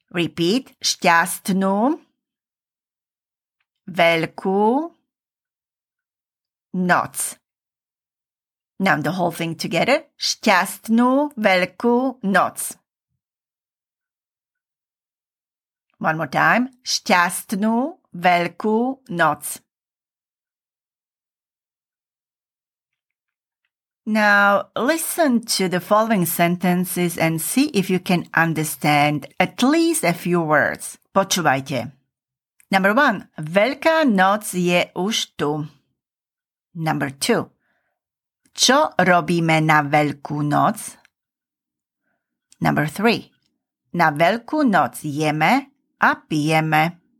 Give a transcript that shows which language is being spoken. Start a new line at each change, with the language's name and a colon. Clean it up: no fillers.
English: Repeat,
Slovak: šťastnú veľkú noc.
English: Now the whole thing together,
Slovak: šťastnú veľkú noc.
English: One more time,
Slovak: šťastnú veľkú noc.
English: Now, listen to the following sentences and see if you can understand at least a few words.
Slovak: Počúvajte.
English: Number one,
Slovak: veľká noc je už tu.
English: Number two,
Slovak: čo robíme na veľkú noc?
English: Number three,
Slovak: na veľkú noc jeme a pijeme.